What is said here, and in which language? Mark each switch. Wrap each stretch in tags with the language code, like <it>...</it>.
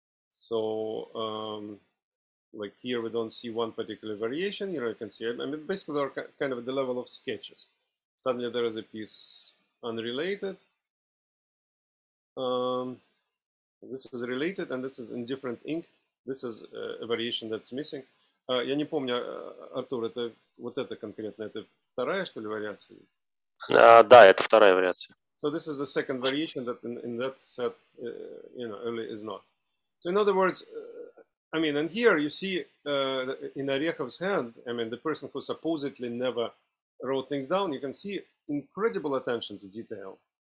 <en>So, like here, we don't see one particular variation. You know, you can see. I mean, basically, they're kind of at the level of sketches. Suddenly, there is a piece unrelated. This is related, and this is in different ink. This is a variation that's missing.</en> <ru>Я не помню, Артур, это вот это конкретно, это вторая, что ли, вариация? Да, это вторая вариация.</ru> <en>So this is the second variation that in that set, you know, early is not. So in other words, I mean, and here you see in Orekhov's hand, I mean, the person who supposedly never wrote things down, you can see incredible attention to detail.</en>